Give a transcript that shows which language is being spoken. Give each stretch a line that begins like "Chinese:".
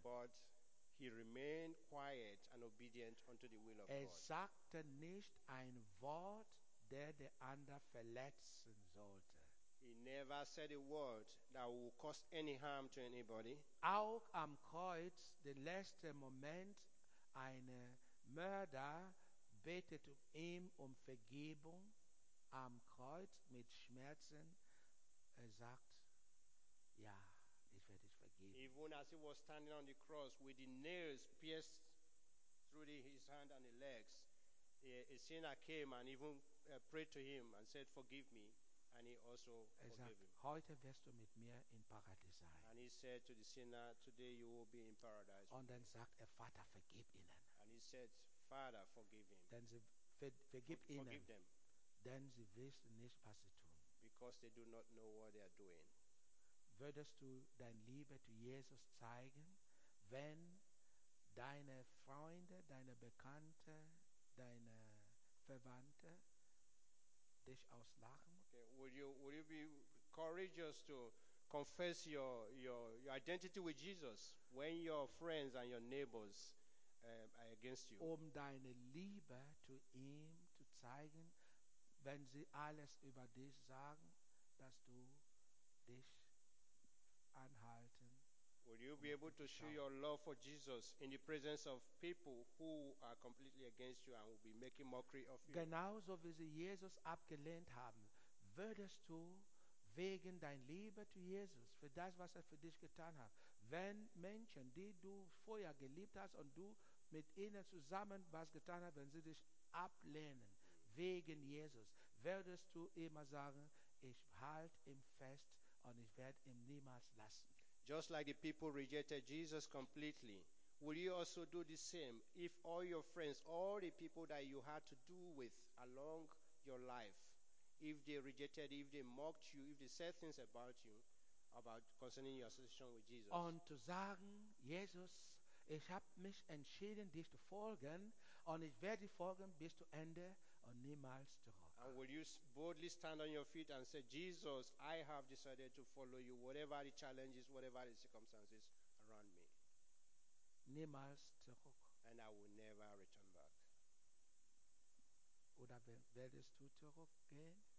English: But he remained quiet and obedient unto the will of God.
German: Er sagte nicht ein Wort, der den anderen verletzen sollte.
English: He never said a word that would cause any harm to anybody.
German: Auch am Kreuz, den letzten Moment, ein Mörder betet ihm um Vergebung am Kreuz mit Schmerzen. Er sagt, ja, ich werde dich vergeben.
English: Even as he was standing on the cross with the nails pierced through his hand and the legs, a sinner came and even prayed to him and said, forgive me. And he also forgave him.
German: Heute wirst du mit mir in Paradies sein.
English: And he said to the sinner, today you will be in paradise.
German: Und dann sagt er, Vater, vergib ihnen.
English: And he said, Father, forgive him.
German: Dann sie
English: forgive them.
German: Denn sie wissen nicht, was sie tun.
English: Because they do not know what they are doing.
German: Würdest du deine Liebe zu Jesus zeigen, wenn deine Freunde, deine Bekannte, deine Verwandte dich auslachen?
English: Okay, would you be courageous to confess your identity with Jesus when your friends and your neighbors are against you?
German: Um deine Liebe zu ihm zu zeigen, wenn sie alles über dich sagen, dass du dich anhalten.
English: Would you be able to show your love for Jesus in the presence of people who are completely against you and will be making mockery of you?
German: Genauso wie sie Jesus abgelehnt haben, würdest du wegen deiner Liebe zu Jesus, für das, was er für dich getan hat, wenn Menschen, die du vorher geliebt hast und du mit ihnen zusammen was getan hast, wenn sie dich ablehnen, wegen Jesus, würdest du immer sagen, ich halte ihn fest und ich werde ihn niemals lassen?
English: Just like the people rejected Jesus completely, will you also do the same if all your friends, all the people that you had to do with along your life, if they rejected, if they mocked you, if they said things about you, about concerning your association with Jesus?
German: Und zu sagen, Jesus, ich habe mich entschieden, dich zu folgen, und ich werde folgen bis zum Ende und niemals zurück.
English: And will you boldly stand on your feet and say, Jesus, I have decided to follow you, whatever the challenges, whatever the circumstances around me.
German: Niemals zurück.
English: And I will never return back.
German: Oder werdest du zurückgehen?